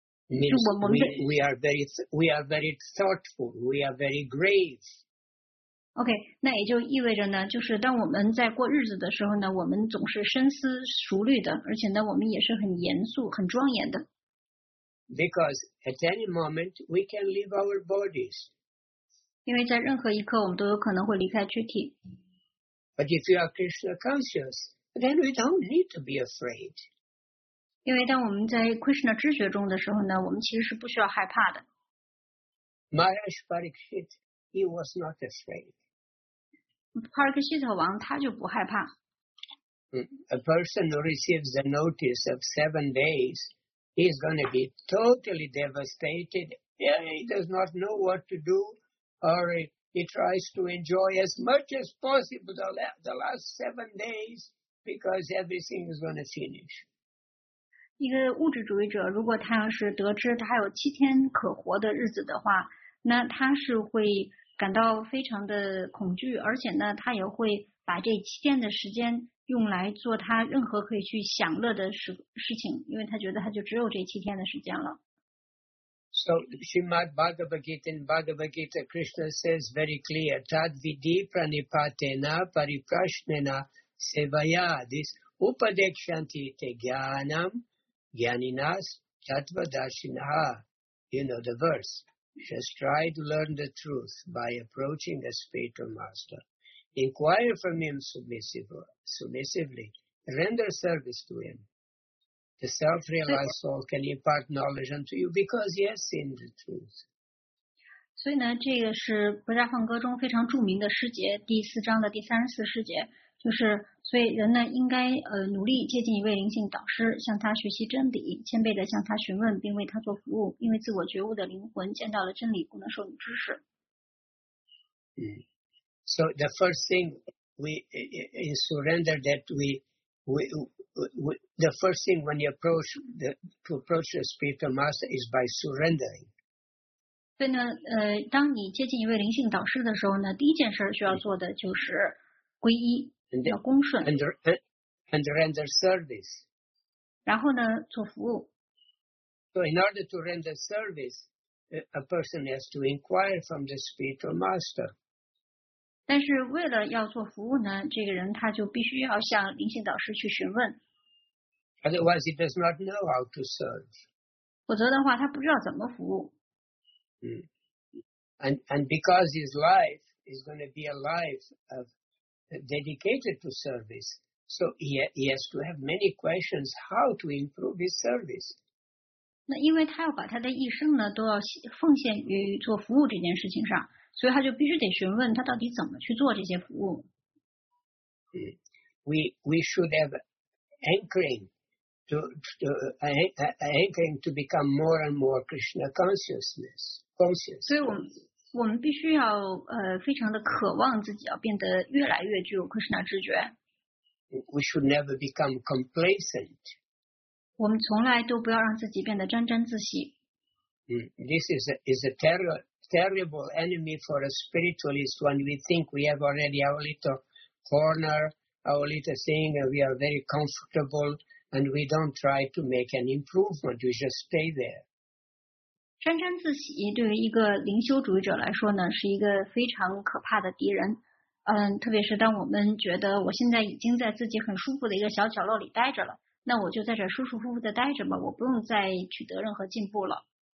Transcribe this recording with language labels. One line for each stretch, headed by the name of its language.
English: Means we are very thoughtful. We are very grave.
Chinese: Okay, 那也就意味着呢，就是当我们在过日子的时候呢，我们总是深思熟虑的，而且呢，我们也是很严肃、很庄严的。
English: Because at any moment we can leave our bodies.
Chinese: 因为在任何一刻，我们都有可能会离开躯体。
English: But if you are Krishna conscious, then we don't need to be afraid.
Chinese: 因为当我们在 Krishna 知觉中的时候呢，我们其实是不需要害怕的。
English: Maharaj Parikshit, he was not afraid.
Chinese: Parikshit 王他就不害怕。
English: A person who receives a notice of 7 days, he is going to be totally devastated. He does not know what to do, or he tries to enjoy as much as possible the last 7 days because everything is going to finish.
Chinese: 一个物质主义者，如果他要是得知他有7天可活的日子的话，那他是会感到非常的恐惧，而且呢，他也会把这7天的时间用来做他任何可以去享乐的事情，因为他觉得他就只有这7天的时间了。
English: So, Srimad Bhagavad-gita in Bhagavad-gita, Krishna says very clear,
Sanskrit: Tadvidi pranipatena pariprashnena sevaya. This upadekshanti te jnanam, jnaninas tatvadashinah.
English: You know the verse. Just try to learn the truth by approaching the spiritual master. Inquire from him submissively. Render service to him. The self-realized soul can impart knowledge unto you because he has seen the truth.
Chinese: 所以呢，这个是《白沙梵歌》中非常著名的诗节，第4章的第34诗节，就是所以人呢应该努力接近一位灵性导师，向他学习真理，谦卑的向他询问，并为他做服务，因为自我觉悟的灵魂见到了真理，不能受你指使。
English: So the first thing we in surrender that the first thing when you approach to approach the spiritual master is by surrendering.
Chinese: 所以呢，当你接近一位灵性导师的时候呢，第一件事需要做的就是皈依，要恭顺
English: and render service.
Chinese: 然后呢，做服务。
English: So in order to render service, a person has to inquire from the spiritual master.
Chinese: 但是为了要做服务呢，这个人他就必须要向灵性导师去询问。
English: Otherwise, he does not know how to serve.
Chinese: 否则的话，他不知道怎么服务。
English: And because his life is going to be a life of dedicated to service, so he has to have many questions how to improve his service.
Chinese: 那因为他要把他的一生呢，都要奉献于做服务这件事情上。所以他就必须得询问他到底怎么去做这些服务。
English: We should have anchoring to become more and more Krishna consciousness.
Chinese: 所以我们必须要非常的渴望自己要变得越来越具有 Krishna 知觉。
English: We should never become complacent.
Chinese: 我们从来都不要让自己变得沾沾自喜。
English: This is a terrible enemy for a spiritualist when we think we have already our little corner, our little thing, and we are very comfortable, and we don't try to make an improvement. We just stay there.
Chinese: 沾沾自喜对于一个灵修主义者来说呢，是一个非常可怕的敌人。特别是当我们觉得我现在已经在自己很舒服的一个小角落里待着了，那我就在这舒舒服服的待着吧，我不用再取得任何进步了。